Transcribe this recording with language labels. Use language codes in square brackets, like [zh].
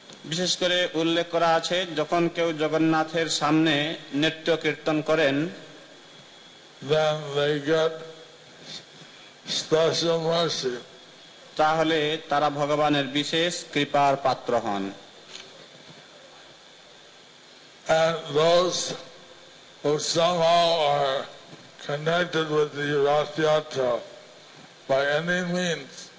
[bn] বিশেষ করে উল্লেখ করা আছে যখন কেউ জগন্নাথের সামনে নৃত্য কীর্তন করেন, [en] then they get special mercy. [bn] তাহলে তারা ভগবানের বিশেষ কৃপার পাত্র হন। [en] And those who somehow are connected with the Rath Yatra by any means,